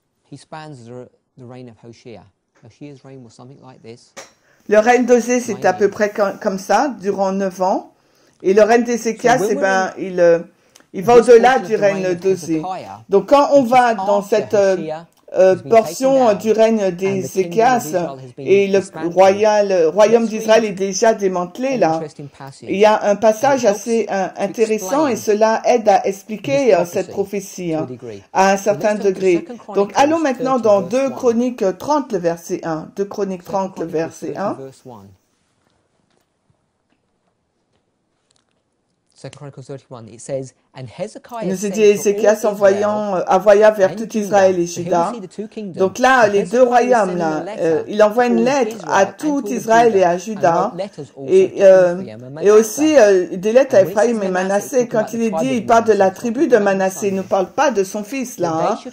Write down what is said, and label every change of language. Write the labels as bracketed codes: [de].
[en] He spans the reign of Hoshea. Hoshea's reign was something like this. [fr] Le règne d'Hoshea c'est à peu près comme ça durant 9 ans et le règne d'Ézéchias so ben il va au-delà du règne d'Hoshea. Donc quand on va dans cette portion du règne d'Ézéchias et le royaume d'Israël est déjà démantelé là. Il y a un passage assez intéressant et cela aide à expliquer cette prophétie hein, à un certain degré. Donc allons maintenant dans 2 Chroniques 30, le verset 1. 2 Chroniques 30, le verset 1. [en] 2 Chronicles 31, it says, and Hezekiah [fr] nous dit Ézéchias envoya vers tout Israël et Juda. Donc là, les deux royaumes, là, il envoie une lettre à tout Israël et à Juda, et aussi des lettres à Ephraïm et Manassé. Quand il est dit, il parle de la tribu de Manassé, il ne parle pas de son fils, là.